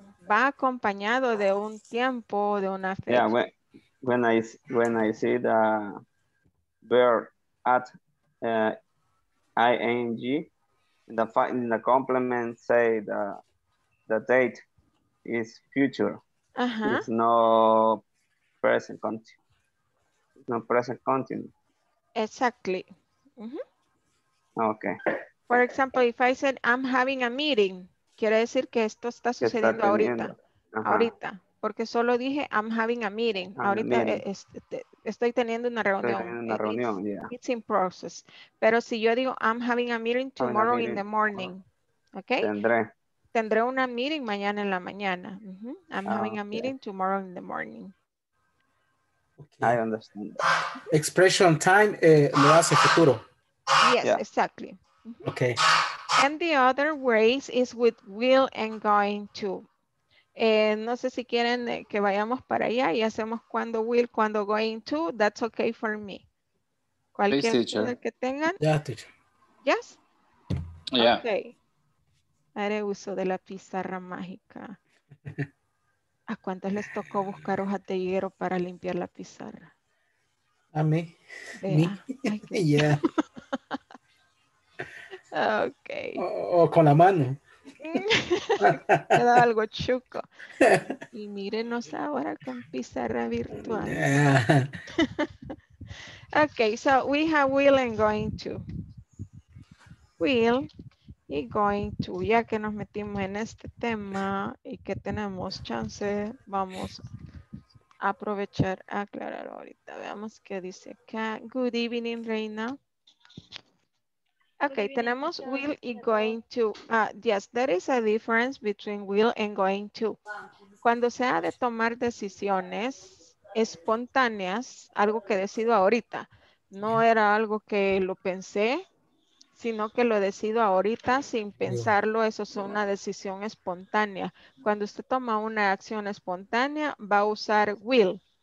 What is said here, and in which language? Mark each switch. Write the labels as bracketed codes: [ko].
[es] Va acompañado de un tiempo, de una fecha. [en] Yeah, when I see the verb at ing, the complement say the date is future. Ajá. It's not present continuous. Exactly. Mm-hmm. Okay. For example, if I said I'm having a meeting, [es] quiere decir que esto está sucediendo ahorita. [en] Uh-huh. [es] Ahorita, porque solo dije [en] I'm having a meeting. [es] Ahorita estoy teniendo una reunión. [en] It's in process. [es] Pero si yo digo [en] I'm having a meeting tomorrow in the morning, okay? [es] Tendré una meeting mañana en la mañana. Mm-hmm. [en] I'm having a meeting tomorrow in the morning. Okay. I understand. [es] Expression time lo hace futuro. [en] Yes, exactly. Mm-hmm. Okay. And the other ways is with will and going to. [es] No sé si quieren que vayamos para allá y hacemos cuando will, cuando going to. [en] That's okay for me. [es] Cualquier [en] teacher [es] que tengan. [en] Yeah, teacher. Yes? Yeah. [es] Okay. Haré uso de la pizarra mágica. ¿A cuántos les tocó buscar hojas de higuero para limpiar la pizarra? A mí. [en] Yeah. Okay. [es] O con la mano. Me da algo chuco. Y mírenos ahora con pizarra virtual. [en] Yeah. Okay, so we have will and going to. [es] Will y going to. Ya que nos metimos en este tema y que tenemos chance, vamos a aprovechar a aclarar ahorita. Veamos qué dice acá. [en] Good evening, Reina. [es] Okay, tenemos will y going to. [en] Yes, there is a difference between will and going to. [es] Cuando se ha de tomar decisiones espontáneas, algo que decido ahorita, no era algo que lo pensé, sino que lo decido ahorita sin pensarlo. Eso es una decisión espontánea. Cuando usted toma una acción espontánea, va a usar will.